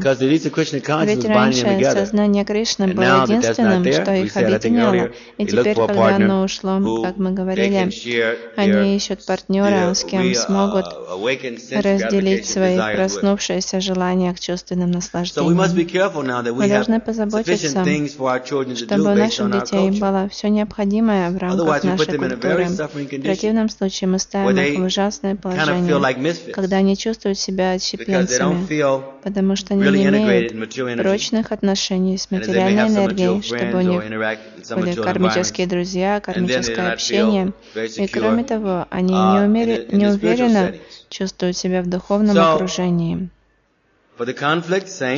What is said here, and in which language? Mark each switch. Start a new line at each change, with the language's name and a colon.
Russian: Ведь раньше сознание Кришны было единственным, что их объединяло, и теперь, когда оно ушло, как мы говорили, они ищут партнера, с кем смогут разделить свои проснувшиеся желания к чувственным наслаждениям.
English: So we must be careful now that we have sufficient things for our children to do based on our culture. Otherwise, we put them in a very suffering condition, where they kind of feel like misfits, because they don't feel
Russian: потому что они не имеют прочных отношений с материальной энергией, чтобы у них были кармические друзья, кармическое общение. И кроме того, они не уверенно чувствуют себя в духовном окружении.
English: For the conflict, same.